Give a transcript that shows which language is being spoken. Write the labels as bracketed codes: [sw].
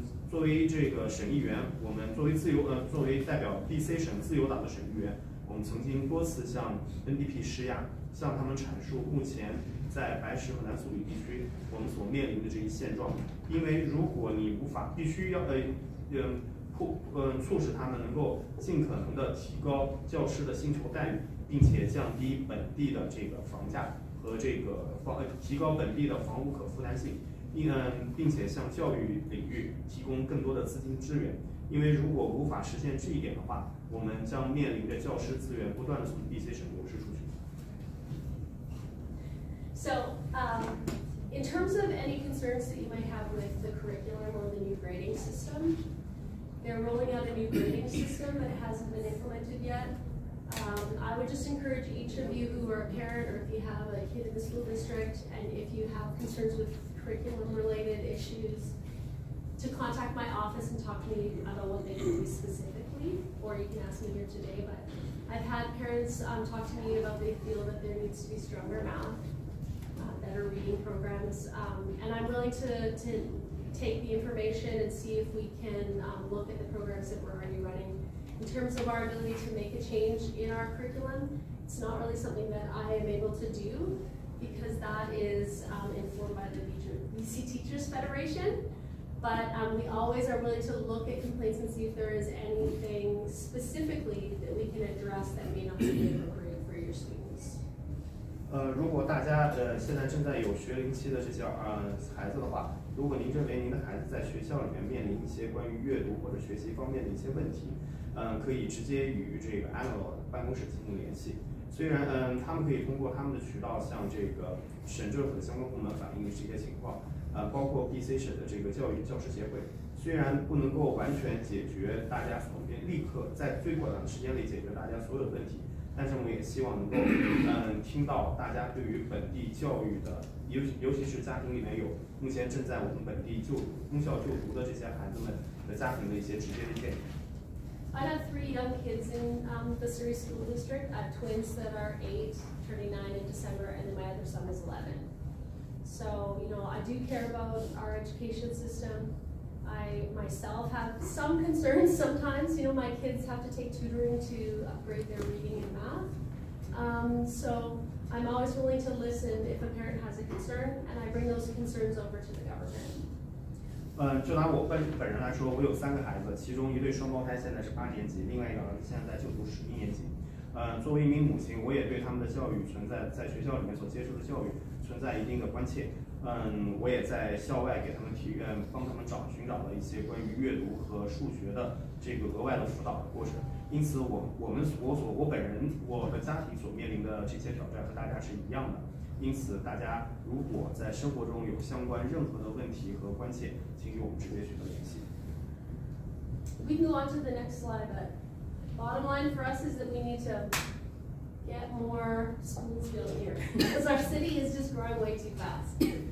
[zh] 作为这个省议员，我们作为作为代表 BC 省自由党的省议员，我们曾经多次向 NDP 施压，向他们阐述目前在白石和南苏里地区我们所面临的这一现状，因为如果你无法必须要促使他们能够尽可能的提高教师的薪酬待遇，并且降低本地的这个房价和这个提高本地的房屋可负担性，并且向教育领域提供更多的资金支援，因为如果无法实现这一点的话，我们将面临着教师资源不断的从 BC 省流失出去。 [en] So, in terms of any concerns that you might have with the curriculum or the new grading system, they're rolling out a new grading system that hasn't been implemented yet. I would just encourage each of you who are a parent or if you have a kid in the school district and if you have concerns with curriculum-related issues to contact my office and talk to me about what they can do specifically, or you can ask me here today, but I've had parents talk to me about they feel that there needs to be stronger math. Better reading programs, and I'm willing to take the information and see if we can look at the programs that we're already running. In terms of our ability to make a change in our curriculum, it's not really something that I am able to do, because that is informed by the BC Teachers Federation, but we always are willing to look at complaints and see if there is anything specifically that we can address that may not be appropriate for your students. [zh] 如果大家现在正在有学龄期的这些孩子的话，如果您认为您的孩子在学校里面面临一些关于阅读或者学习方面的一些问题，可以直接与这个 Elenore 办公室进行联系。虽然他们可以通过他们的渠道向这个省政府的相关部门反映这些情况，包括 BC 省的这个教育教师协会，虽然不能够完全解决大家所面立刻在最短的时间里解决大家所有的问题。但是我们也希望能够听到大家对于本地教育的尤其是家庭里面有目前正在我们本地就公校就读的这些孩子们的家庭的一些直接的建议。 [en] I have three young kids in the Surrey School District. I have twins that are 8 turning 9 in December, and then my other son is 11. So, you know, I do care about our education system. I myself have some concerns sometimes. You know, my kids have to take tutoring to upgrade their reading and math. So I'm always willing to listen if a parent has a concern, and I bring those concerns over to the government. [zh] 就拿我本人来说，我有三个孩子，其中一对双胞胎现在是八年级，另外一个儿子现在在就读十一年级。作为一名母亲，我也对他们的教育存在在学校里面所接受的教育存在一定的关切。我也在校外给他们提愿，帮他们寻找了一些关于阅读和数学的这个额外的辅导的过程。因此我的家庭所面临的这些挑战和大家是一样的。因此大家如果在生活中有相关任何的问题和关切，请与我们直接取得联系。 [en] We can go on to the next slide, but bottom line for us is that we need to get more schools built here because our city is just growing way too fast.